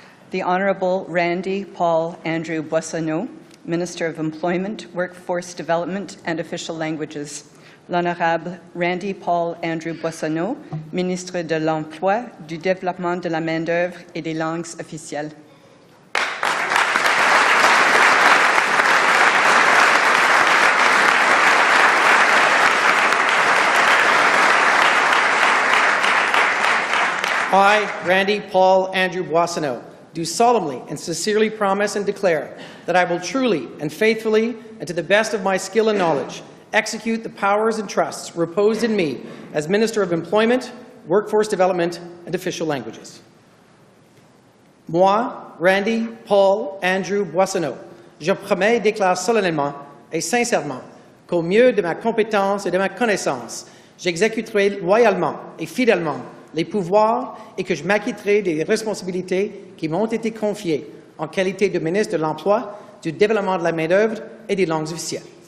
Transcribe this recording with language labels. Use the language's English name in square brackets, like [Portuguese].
[English] the Honourable Randy Paul Andrew Boissonneau, Minister of Employment, Workforce Development and Official Languages. [French] L'Honorable Randy Paul Andrew Boissonneau, Ministre de l'Emploi, du Développement de la Main-d'œuvre et des Langues Officielles. [English] I, Randy Paul Andrew Boissonneau, do solemnly and sincerely promise and declare that I will truly and faithfully and to the best of my skill and knowledge execute the powers and trusts reposed in me as Minister of Employment, Workforce Development and Official Languages. [French] Moi, Randy Paul Andrew Boissonneau, je promets et déclare solennellement et sincèrement qu'au mieux de ma compétence et de ma connaissance, j'exécuterai loyalement et fidèlement les pouvoirs et que je m'acquitterai des responsabilités qui m'ont été confiées en qualité de ministre de l'Emploi, du Développement de la Main-d'œuvre et des Langues Officielles.